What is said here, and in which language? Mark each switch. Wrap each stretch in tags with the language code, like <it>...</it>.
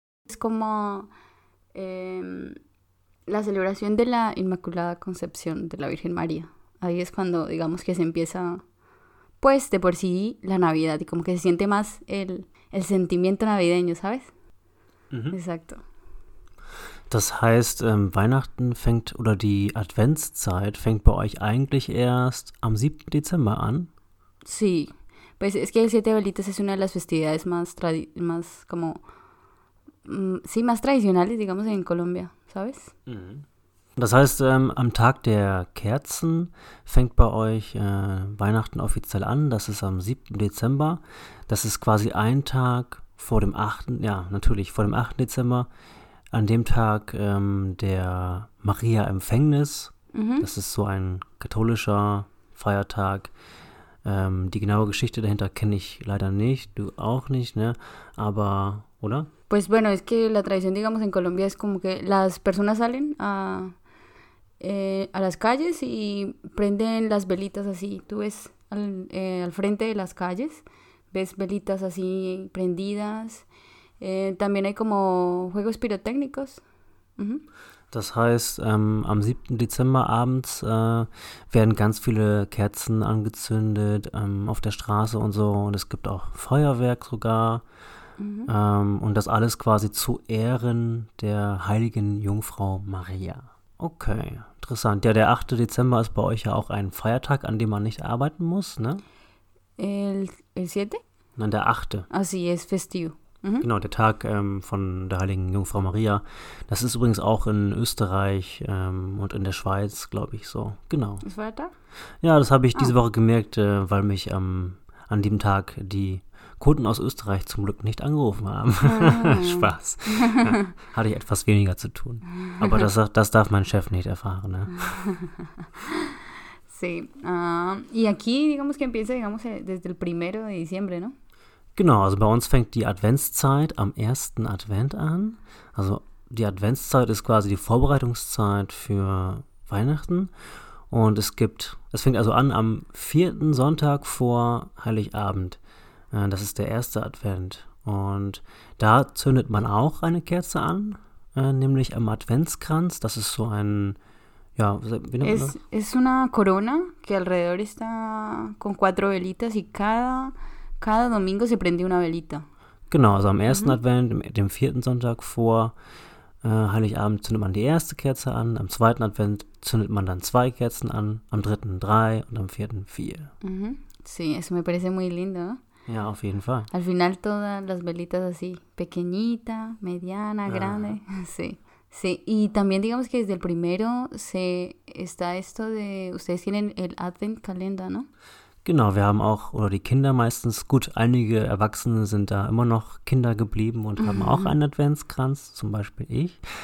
<es>Es como la celebración de la Inmaculada Concepción de la Virgen María. Ahí es cuando, digamos, que se empieza, pues, de por sí la Navidad, y como que se siente más el sentimiento navideño, ¿sabes? Exacto.</es> <de>Das heißt, Weihnachten fängt, oder die Adventszeit fängt bei euch eigentlich erst am 7. Dezember an?</de> <es>Sí, pues es que el 7 de velitas es una de las festividades más tradicionales, digamos, en Colombia, ¿sabes? Mhm.</es> <de>Das heißt, am Tag der Kerzen fängt bei euch Weihnachten offiziell an, das ist am 7. Dezember, das ist quasi ein Tag vor dem 8., ja, natürlich vor dem 8. Dezember, an dem Tag der Maria-Empfängnis, das ist so ein katholischer Feiertag. Die genaue Geschichte dahinter kenne ich leider nicht, du auch nicht, ne, aber, oder?</de> <es>Pues bueno, es que la tradición, digamos, en Colombia es como que las personas salen a las calles y prenden las velitas así. Tú ves al frente de las calles, ves velitas así prendidas. También hay como juegos pirotécnicos.</es> <de>Das heißt, am 7. Dezember abends werden ganz viele Kerzen angezündet auf der Straße und so. Und es gibt auch Feuerwerk sogar. Und das alles quasi zu Ehren der heiligen Jungfrau Maria. Okay, interessant. Ja, der 8. Dezember ist bei euch ja auch ein Feiertag, an dem man nicht arbeiten muss, ne?</de> <es>El 7?</es> <de>Nein, der 8.</de> <es>Ah, sí, es festivo.</es> <de>Genau, der Tag von der heiligen Jungfrau Maria. Das ist übrigens auch in Österreich und in der Schweiz, glaube ich, so. Genau. Ist Feiertag? Ja, das habe ich diese Woche gemerkt, weil mich an dem Tag die Kunden aus Österreich zum Glück nicht angerufen haben. Spaß. Ja, hatte ich etwas weniger zu tun. Aber das darf mein Chef nicht erfahren. Ne?</de> <es>Sí. Y aquí, digamos que empieza, digamos, desde el primero de diciembre, ¿no?</es> <de>Genau, also bei uns fängt die Adventszeit am 1. Advent an. Also die Adventszeit ist quasi die Vorbereitungszeit für Weihnachten. Und es fängt also an am 4. Sonntag vor Heiligabend. Das ist der 1. Advent. Und da zündet man auch eine Kerze an, nämlich am Adventskranz. Das ist so ein, ja, wie nennt man das? Es ist eine Corona, die</de> <es>alrededor está con cuatro velitas y cada domingo se prende una velita.</es> <de>Genau, also am 1. Advent, dem 4. Sonntag vor Heiligabend zündet man die erste Kerze an, am 2. Advent zündet man dann zwei Kerzen an, am 3. 3 und am 4. 4.</de> <es>Sí, eso me parece muy lindo, ¿no?</es> <de>Ja, auf jeden Fall.</de> <es>Al final todas las velitas así, pequeñita, mediana, grande. Sí, sí. Y también digamos que desde el primero se está esto de, ustedes tienen el Advent Kalender, ¿no?</es> <de>Genau, wir haben auch, oder die Kinder meistens, gut, einige Erwachsene sind da immer noch Kinder geblieben und haben auch einen Adventskranz, zum Beispiel ich.</de>